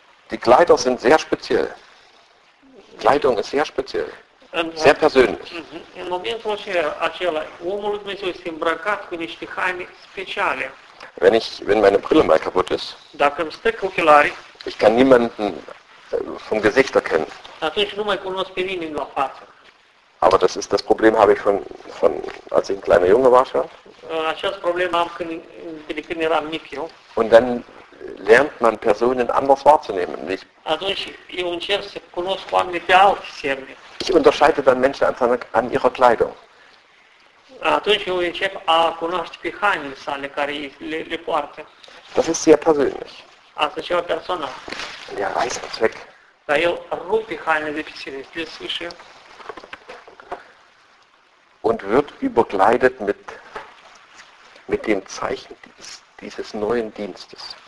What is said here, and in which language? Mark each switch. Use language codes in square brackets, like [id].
[de] Die Kleider sind sehr speziell. Kleidung ist sehr speziell. Sehr persönlich. [ro] În momentul acela, omul lui Dumnezeu este îmbrăcat cu niște haine speciale. [de] Wenn meine Brille mal kaputt ist, [ro] dacă îmi stric ochelarii, [de] ich kann niemanden vom Gesicht erkennen. [ro] Atunci nu mai cunosc pe nimeni la față. [de] Aber das Problem habe ich von als ich ein kleiner Junge war schon. [ro] Acest problem am când eram mic eu. [de] Und dann lernt man Personen anders wahrzunehmen, nicht? [ro] Atunci eu încerc să cunosc oamenii pe alte semne. [de] Ich unterscheide dann Menschen an ihrer Kleidung. [ro] Atunci eu încep a cunoaște pe hainele sale care le poartă. [de] Das ist sehr persönlich. [ro] Asta e ceva personal. [de] Ja, reiß es weg. [ro] Dar eu rup pe hainele de pe sine, le sfârșesc. [de] Und wird überkleidet mit dem Zeichen dieses neuen Dienstes.